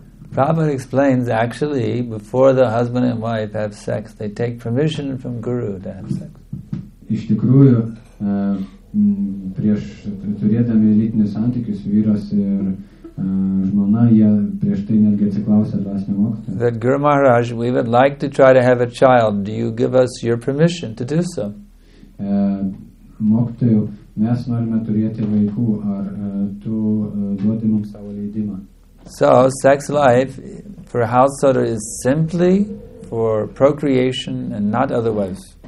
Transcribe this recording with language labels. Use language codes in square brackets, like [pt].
[en] Prabhupada explains, actually, before the husband and wife have sex, they take permission from Guru to have sex. [lt] Iš tikrųjų, prieš turėdami lytinius santykius, vyras ir žmona, jie prieš tai netgi atsiklausė dvasinio mokytojo. [en] That Guru Maharaj, we would like to try to have a child. Do you give us your permission to do so? [lt] Mokytojau, mes norime turėti vaikų, ar tu duodi mums savo leidimą? [en] So, sex life for a household is simply for procreation and not otherwise.